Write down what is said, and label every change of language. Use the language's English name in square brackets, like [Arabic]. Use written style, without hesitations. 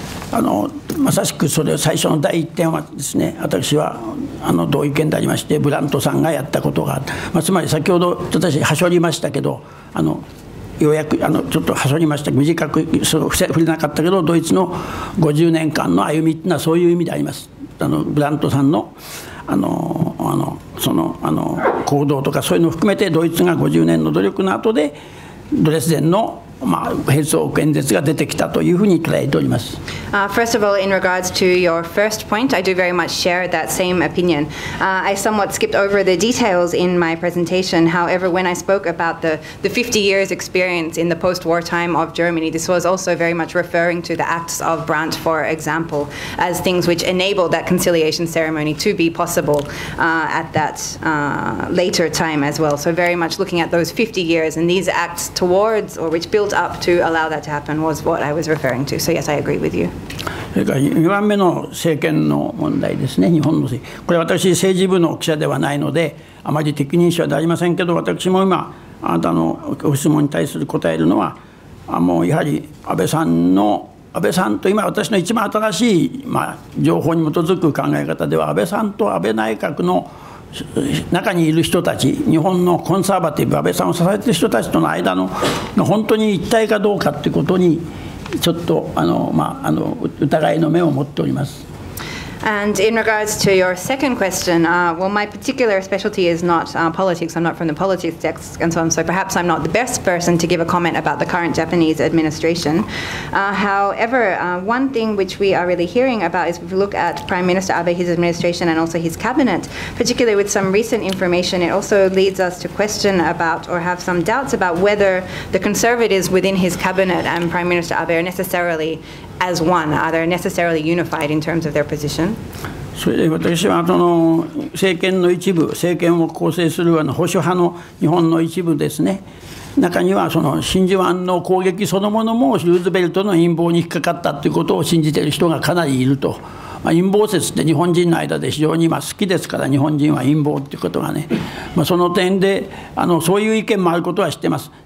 [Japanese] あのまさしくそれ最初の第一点はですね、私はあの同意見でありまして、ブラントさんがやったことが、まあ、つまり先ほど私はしょりましたけど、あのようやくあのちょっとはしょりましたけど、短くそれ触れなかったけど、ドイツの50年間の歩みっていうのはそういう意味であります。あのブラントさんのあの行動とかそういうのを含めて、ドイツが50年の努力の後でドレスデンのまあ、変装演説が出てきたというふうに捉えております。 [English] First of all, in regards to your first point, I do very much share that same opinion. I somewhat skipped over the details in my presentation. However, when I spoke about the 50 years experience in the post-war time of Germany, this was also very much referring to the acts of Brandt, for example, as things which enabled that conciliation ceremony to be possible at that later time as well. So very much looking at those 50 years and these acts towards or which built up to allow that to happen was what I was referring to. So yes, I agree with you. [Japanese] それから2番目の政権の問題ですね、日本の政権。これ私政治部の記者ではないのであまり適任者ではありませんけど、私も今あなたのご質問に対する答えるのは、もうやはり安倍さんと今私の一番新しい、まあ、情報に基づく考え方では、安倍さんと安倍内閣の中にいる人たち、日本のコンサーバティブ安倍さんを支えている人たちとの間の本当に一体かどうかということにちょっとあの疑いの目を持っております。 [English] And in regards to your second question, well, my particular specialty is not politics. I'm not from the politics desk and so on, so perhaps I'm not the best person to give a comment about the current Japanese administration. However, one thing which we are really hearing about is if we look at Prime Minister Abe, his administration, and also his cabinet, particularly with some recent information, it also leads us to question about or have some doubts about whether the conservatives within his cabinet and Prime Minister Abe are necessarily as one, are they necessarily unified in terms of their position? [Japanese] それで私はその政権の一部、政権を構成する保守派の日本の一部ですね、中にはその真珠湾の攻撃そのものもルーズベルトの陰謀に引っかかったということを信じている人がかなりいると、まあ、陰謀説って日本人の間で非常に好きですから、日本人は陰謀ということがね、まあ、その点でそういう意見もあることは知ってます。